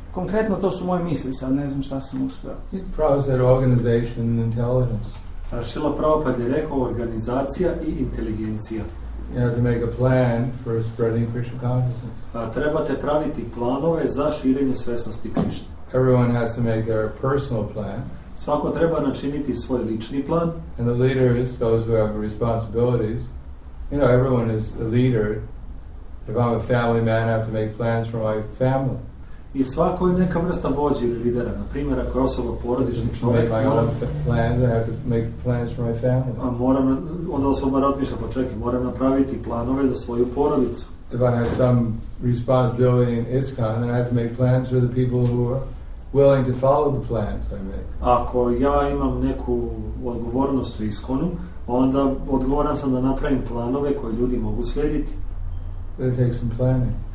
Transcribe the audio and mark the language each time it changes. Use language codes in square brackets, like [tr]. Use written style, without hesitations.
[sr] Konkretno to su moje misli, sad ne znam šta sam uspeo. [en] It proves that organization and intelligence. [sr] Srila Prabhupada je rekao organizacija i inteligencija. [en] You have to make a plan for spreading Krishna consciousness. [sr] Trebate praviti planove za širenje svesnosti Krishna. [en] Everyone has to make their personal plan. [sr] Svako treba načiniti svoj lični plan. [en] And the leaders, those who have responsibilities, you know, everyone is a leader. If I'm a family man, I have to make plans for my family. [sr] I svako je neka vrsta vođe ili lidera. Na primjer, ako je osoba porodični čovjek, moram, onda osoba razmišlja, pa čekaj, moram napraviti planove za svoju porodicu. [en] If I have some responsibility in ISKCON, then I have to make plans for the people who are willing to follow the plans I make. [sr] Ako ja imam neku odgovornost u ISKCON-u, onda odgovoran sam da napravim planove koje ljudi mogu slijediti. [en] But it takes some planning.